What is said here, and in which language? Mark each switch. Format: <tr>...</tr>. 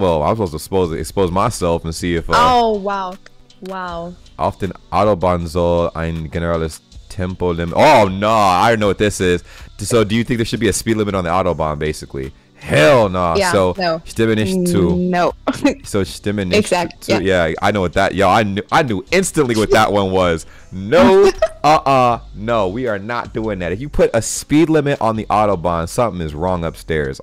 <en>Well, I'm supposed to expose myself and see if Oh wow.</en> <de>Auf den Autobahn soll ein generelles Tempo limit.</de> <en>Oh no, I don't know what this is. So do you think there should be a speed limit on the Autobahn, basically? Hell nah. Yeah, so no.</en> <de>Stimme nicht zu.</de> <en>No. So</en> <de>stimme nicht zu.</de> <en>Yeah, I know what that. Yo, I knew instantly what that one was. No. No, we are not doing that. If you put a speed limit on the Autobahn, something is wrong upstairs.</en>